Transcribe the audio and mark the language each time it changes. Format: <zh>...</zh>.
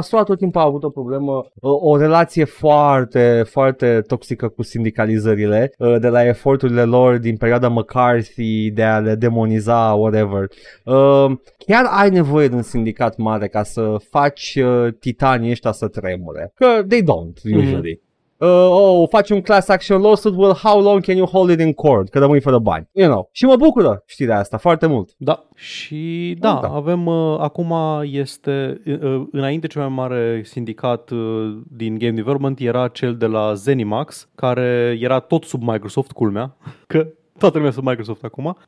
<ro>SUA tot timpul a avut o problemă, o relație foarte, foarte toxică cu sindicalizările, de la eforturile lor din perioada McCarthy de a le demoniza,</ro> <en>whatever.</en> <ro>Chiar ai nevoie de un sindicat mare ca să faci titanii ăștia să tremure. Că</ro> <en>they don't, usually.</en> <ro>Faci un</ro> <en>class action lawsuit, well, how long can you hold it in court?</en> <ro>Că rămâi fără bani.</ro> <en>You know.</en> <ro>Și mă bucură știrea asta foarte mult. Da. Și da, da. Avem, acum este, înainte cel mai mare sindicat din game development era cel de la ZeniMax, care era tot sub Microsoft, culmea, că toată lumea sunt Microsoft acum.</ro>